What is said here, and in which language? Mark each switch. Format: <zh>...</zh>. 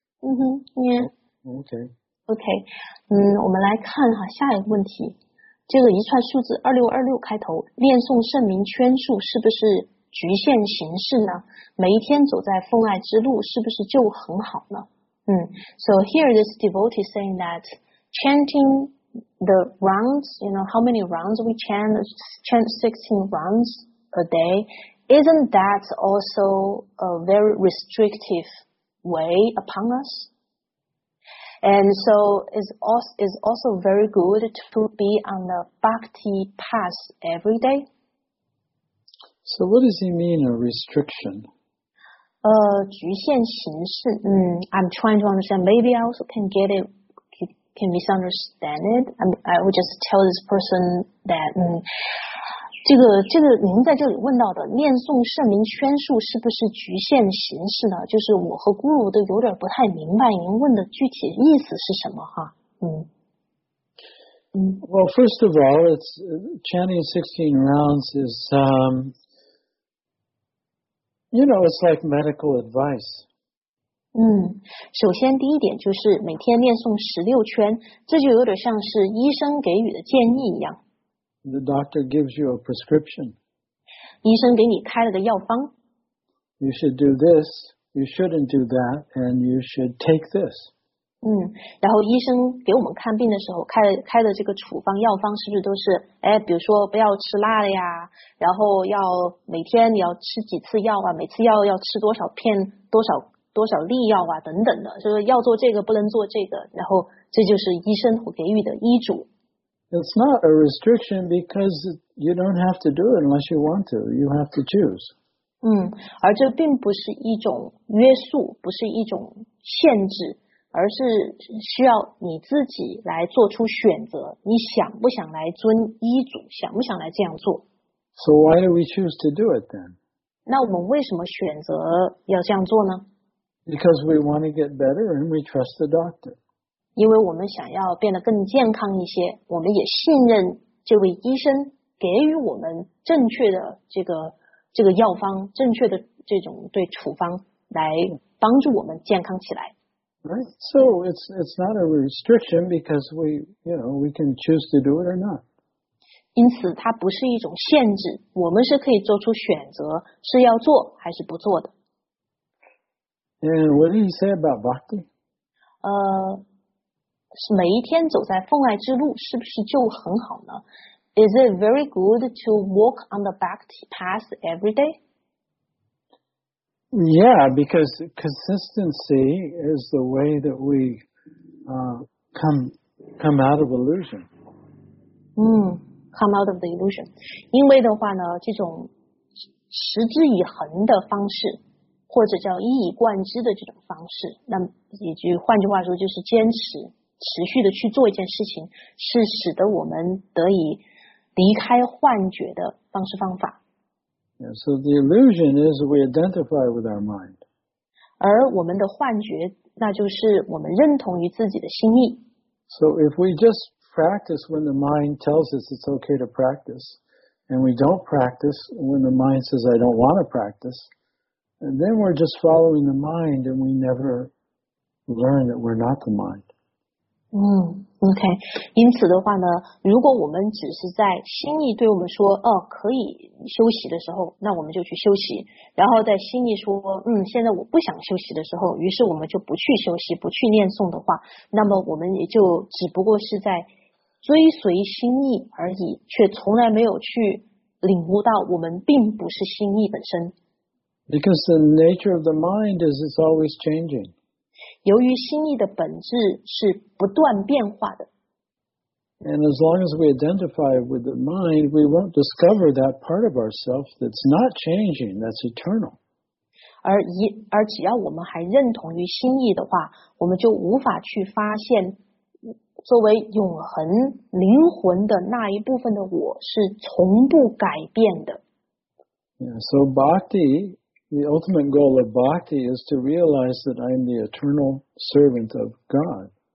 <en>Mm-hmm. Yeah. Okay.</en> <zh>我们来看哈下一个问题。这个一串数字2626开头，念诵圣名圈数是不是局限形式呢？每一天走在奉爱之路是不是就很好呢？</zh> <en>So here this devotee saying that chanting the rounds, you know, how many rounds we chant 16 rounds a day, isn't that also a very restrictive way upon us? And so is also very good to be on the bhakti path every day. So what does he mean a restriction?</en> <zh>局限形式。</zh> <en>I'm trying to understand. Maybe I also can get it. Can misunderstand it. I would just tell this person that,</en> <zh>这个您在这里问到的念诵圣名圈数是不是局限形式呢？就是我和 Guru 都有点不太明白您问的具体意思是什么哈。</zh> <en>Well, first of all, it's chanting 16 rounds is, you know, it's like medical advice.</en> <zh>首先第一点就是每天念诵16圈，这就有点像是医生给予的建议一样。</zh> <en>The doctor gives you a prescription.</en> <zh>医生给你开了个药方。</zh> <en>You should do this, you shouldn't do that, and you should take this.</en> <zh>然后医生给我们看病的时候开的这个处方药方是不是都是比如说不要吃辣的呀，然后要每天你要吃几次药啊，每次药要吃多少片多少利药啊等等的，就是要做这个不能做这个，然后这就是医生给予的医嘱。</zh> <en>It's not a restriction because you don't have to do it unless you want to. You have to choose.</en> <zh>而这并不是一种约束，不是一种限制，而是需要你自己来做出选择，你想不想来遵医嘱，想不想来这样做。</zh> <en>So why do we choose to do it then?</en> <zh>那我们为什么选择要这样做呢？</zh> <en>Because we want to get better and we trust the doctor.</en> <zh>因为我们想要变得更健康一些，我们也信任这位医生给予我们正确的这个药方，正确的这种对处方来帮助我们健康起来。</zh> <en>Right. So it's not a restriction because we, you know, we can choose to do it or not.</en> <zh>因此它不是一种限制，我们是可以做出选择，是要做还是不做的。</zh> <en>And what did he say about bhakti?</en> <zh>每一天走在奉爱之路是不是就很好呢？</zh> <en>Is it very good to walk on the bhakti path every day? Yeah, because consistency is the way that we come out of illusion. Come out of the illusion.</en> <zh>因为的话呢，这种持之以恒的方式或者叫一以贯之的这种方式，那也就换句话说就是坚持持续的去做一件事情，是使得我们得以离开幻觉的方式方法。</zh> <en>Yeah, so the illusion is we identify with our mind.</en> <zh>而我们的幻觉那就是我们认同于自己的心意。</zh> <en>So if we just practice when the mind tells us it's okay to practice, and we don't practice when the mind says I don't want to practice,And then we're just following the mind and we never learn that we're not the mind. Okay.</en> <zh>因此的话呢，如果我们只是在心意对我们说可以休息的时候，那我们就去休息。然后在心意说现在我不想休息的时候，于是我们就不去休息，不去念诵的话，那么我们也就只不过是在追随心意而已，却从来没有去领悟到我们并不是心意本身。</zh> <en>Because the nature of the mind is it's always changing.</en> <zh>由于心意的本质是不断变化的。</zh> <en>And as long as we identify with the mind, we won't discover that part of ourselves that's not changing, that's eternal.</en> <zh>而只要我们还认同于心意的话，我们就无法去发现作为永恒灵魂的那一部分的我是从不改变的。</zh> <en>Yeah, so bhakti, the ultimate goal of bhakti is to realize that I am the eternal servant of God.</en>